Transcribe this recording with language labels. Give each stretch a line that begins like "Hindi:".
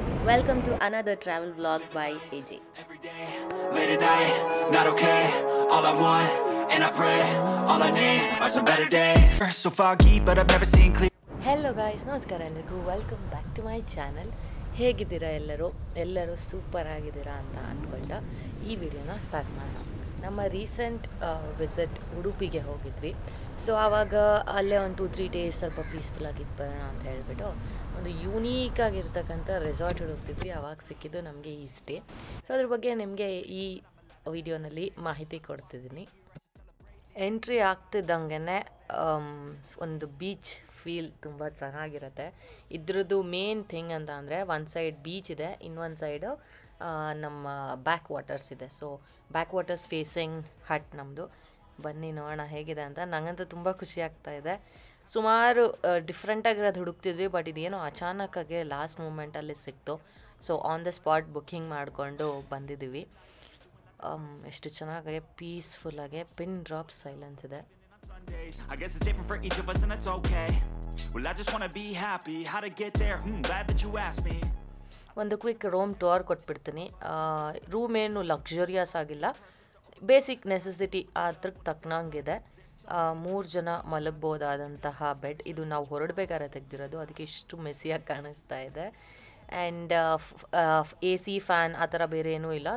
English: Welcome to another travel vlog by AJ. Every day, late at night, not okay. All I want, and I pray, all I need are some better days. So foggy, but I've never seen clear. Hello guys,
Kannada: namaskara ellarigu.
English: Welcome back to my channel.
Kannada: ಹೇಗಿದ್ದೀರಾ ಎಲ್ಲರೂ? ಎಲ್ಲರೂ super ಆಗಿದ್ದೀರಾ ಅಂತ ಅಂದ್ಕೊಳ್ತಾ ಈ ವಿಡಿಯೋನ start ಮಾಡೋಣ. ನಮ್ಮ recent visit ಉಡುಪಿಗೆ ಹೋಗಿದ್ವಿ. ಸೊ ಆವಾಗ ಅಲ್ಲೇ ಒಂದು 2-3 ಡೇಸ್ ಸ್ವಲ್ಪ ಪೀಸ್ಫುಲ್ ಆಗಿದ್ದು ಬರೋಣ ಅಂತ ಹೇಳಿಬಿಟ್ಟು ಒಂದು ಯೂನೀಕ್ ಆಗಿರ್ತಕ್ಕಂಥ ರೆಸಾರ್ಟ್ ಹುಡುಕ್ತಿದ್ವಿ. ಆವಾಗ ಸಿಕ್ಕಿದ್ದು ನಮಗೆ ಈ ಸ್ಟೇ. ಸೊ ಅದ್ರ ಬಗ್ಗೆ ನಿಮಗೆ ಈ ವಿಡಿಯೋನಲ್ಲಿ ಮಾಹಿತಿ ಕೊಡ್ತಿದ್ದೀನಿ. ಎಂಟ್ರಿ ಆಗ್ತಿದ್ದಂಗೆ ಒಂದು ಬೀಚ್ ಫೀಲ್ ತುಂಬ ಚೆನ್ನಾಗಿರುತ್ತೆ. ಇದ್ರದ್ದು ಮೇನ್ ಥಿಂಗ್ ಅಂತ ಅಂದರೆ ಒನ್ ಸೈಡ್ ಬೀಚ್ ಇದೆ, ಇನ್ನೊಂದು ಸೈಡು ನಮ್ಮ ಬ್ಯಾಕ್ ವಾಟರ್ಸ್ ಇದೆ. ಸೊ ಬ್ಯಾಕ್ ವಾಟರ್ಸ್ ಫೇಸಿಂಗ್ ಹಟ್ ನಮ್ಮದು. ಬನ್ನಿ ನೋಡೋಣ ಹೇಗಿದೆ ಅಂತ. ನನಗಂತೂ ತುಂಬ ಖುಷಿಯಾಗ್ತಾ ಇದೆ. ಸುಮಾರು ಡಿಫ್ರೆಂಟಾಗಿರೋದು ಹುಡುಕ್ತಿದ್ವಿ, ಬಟ್ ಇದೇನೋ ಅಚಾನಕ್ಕಾಗಿ ಲಾಸ್ಟ್ ಮೂಮೆಂಟಲ್ಲಿ ಸಿಕ್ತು. So on the spot booking ಮಾಡಿಕೊಂಡು ಬಂದಿದ್ದೀವಿ. ಎಷ್ಟು ಚೆನ್ನಾಗಿ ಪೀಸ್ಫುಲ್ಲಾಗಿ ಪಿನ್ ಡ್ರಾಪ್ ಸೈಲೆನ್ಸ್ ಇದೆ.
English: I guess it's different for each of us and it's okay. Well, I just want to be happy. How to get there? Glad that you asked me.
Kannada: ಒಂದು quick room tour ಕೊಟ್ಬಿಡ್ತೀನಿ. Room ಏನು luxurious ಆಗಿಲ್ಲ, basic necessity ಅದಕ್ಕೆ ತಕ್ಕನಂಗಿದೆ. ಮೂರು ಜನ ಮಲಗ್ಬೋದಾದಂತಹ bed. ಇದು ನಾವು ಹೊರಡಬೇಕಾದ್ರೆ ತೆಗೆದಿರೋದು, ಅದಕ್ಕೆ ಇಷ್ಟು ಮೆಸಿಯಾಗಿ ಕಾಣಿಸ್ತಾ ಇದೆ. ಆ್ಯಂಡ್ AC ಫ್ಯಾನ್ ಆ ಥರ ಬೇರೆ ಏನೂ ಇಲ್ಲ.